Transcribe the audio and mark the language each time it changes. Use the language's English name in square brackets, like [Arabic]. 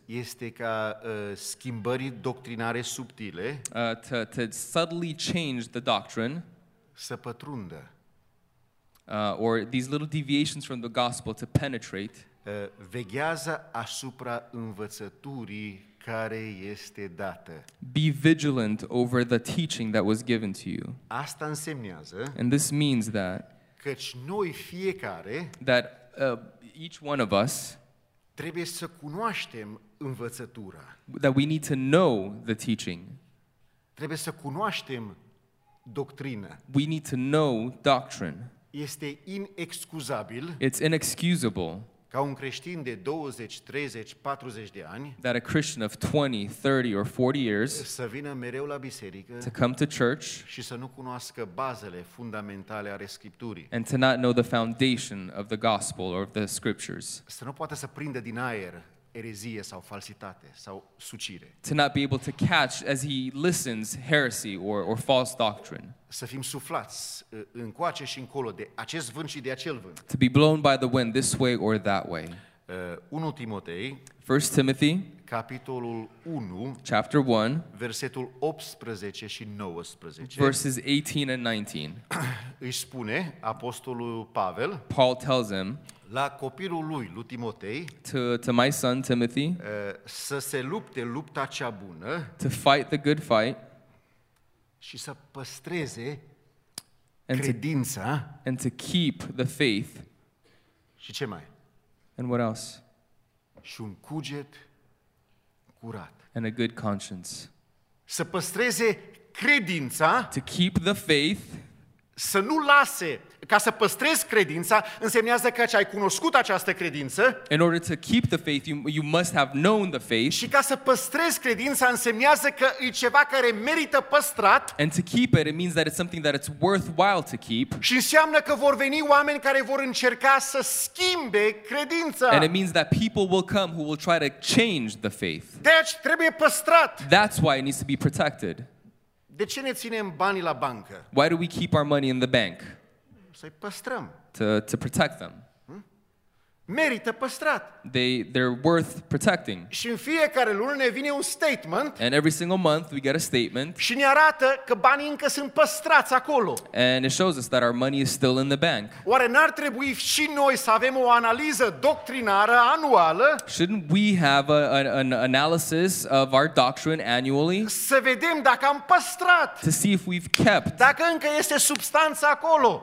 [Romanian] este ca schimbări doctrinare subtile, [English] to subtly change the doctrine, [Romanian] să pătrundă, [English] or these little deviations from the gospel to penetrate, [Romanian] veghează asupra învățăturii care este dată. [English] Be vigilant over the teaching that was given to you. [Romanian] Asta însemnează, [English] and this means that, [Romanian] căci noi fiecare, [English] that each one of us, [Romanian] trebuie să cunoaștem învățătura, [English] that we need to know the teaching. [Romanian] Trebuie să cunoaștem doctrină. [English] We need to know doctrine. [Romanian] Este inexcusabil, [English] it's inexcusable, [Romanian] ca un creștin de 20, 30, 40 de ani, [English] that a Christian of 20, 30 or 40 years, [Romanian] să vină mereu la biserică, [English] to come to church, [Romanian] și să nu cunoască bazele fundamentale ale Scripturii, [English] and to not know the foundation of the gospel or of the scriptures, [Romanian] să nu poată să prindă din aer erezie sau falsitate sau sucire, [English] to not be able to catch as he listens heresy or false doctrine, [Romanian] să fim suflați încoace și încolo de acest vânt și de acel vânt, [English] to be blown by the wind this way or that way. [Romanian] 1 Timotei, [English] 1 Timothy, [Romanian] capitolul 1, [English] chapter 1, [Romanian] versetul 18 și 19, [English] verses 18 and 19, [Romanian] îi spune apostolul Pavel, [English] Paul tells him, [Romanian] la copilul lui, lui Timotei, [English] to my son Timothy, [Romanian] să se lupte lupta cea bună, [English] to fight the good fight, [Romanian] și să păstreze credința, [English] and to keep the faith, [Romanian] și ce mai? [English] And what else? [Romanian] Și un cuget curat, [English] and a good conscience, [Romanian] să păstreze credința, [English] to keep the faith, [Romanian] să nu lase, ca să păstrezi credința, însemnează că ai cunoscut această credință. [English] In order to keep the faith, you must have known the faith. [Romanian] Și ca să păstrezi credința, însemnează că e ceva care merită păstrat. [English] And to keep it, it means that it's something that it's worthwhile to keep. [Romanian] Și înseamnă că vor veni oameni care vor încerca să schimbe credința. [English] And it means that people will come who will try to change the faith. [Romanian] Deci trebuie păstrat. [English] That's why it needs to be protected. [Romanian] De ce ne ținem banii la bancă? [English] Why do we keep our money in the bank? [Romanian] Să-i păstrăm. [English] To protect them. [Romanian] Merită păstrat. [English] They're worth protecting. [Romanian] Și în fiecare lună ne vine un statement. [English] And every single month we get a statement. [Romanian] Și ne arată că banii încă sunt păstrați acolo. [English] And it shows us that our money is still in the bank. [Romanian] Oare n-ar trebui și noi să avem o analiză doctrinară anuală? [English] Shouldn't we have an analysis of our doctrine annually? [Romanian] Să vedem dacă am păstrat. [English] To see if we've kept. [Romanian] Dacă încă este substanța acolo.